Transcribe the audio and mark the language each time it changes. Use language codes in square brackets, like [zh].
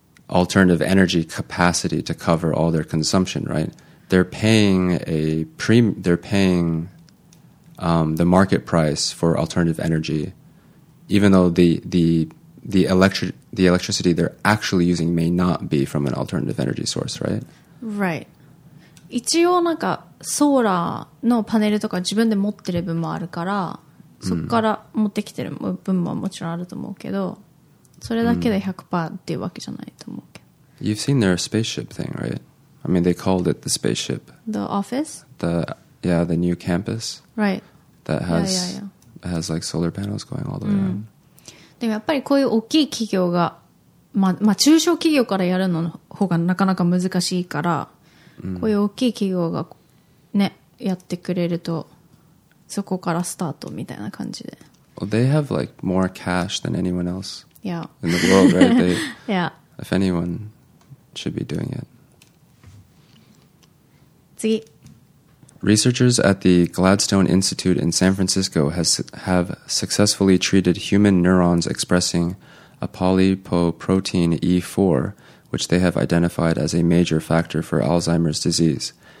[en] alternative energy capacity to cover all their consumption, right? They're paying the market price for alternative energy, even though the electricity they're actually using may not be from an alternative energy source, right? Right. [ja] 一応なんかソーラーのパネルとか自分で持ってる分もあるから、そっから持ってきてる分ももちろんあると思うけど、それだけで 100% っていうわけじゃないと思う。 [en] You've seen their spaceship thing, right? I mean, they called it the spaceship. The office? The new campus. Right. That has like solar panels going all the way around. [ja] でもやっぱりこういう大きい企業が、まあ中小企業からやるの方がなかなか難しいから、こういう大きい企業がね、やってくれると、そこからスタートみたいな感じで。 [en] Well, they have like more cash than anyone else yeah. in the world, right? They, yeah. If anyone... should be doing it. [ja] 次. [en] Researchers at the Gladstone Institute in San Francisco have successfully treated human neurons expressing apolipoprotein E4, which they have identified as a major factor for Alzheimer's disease.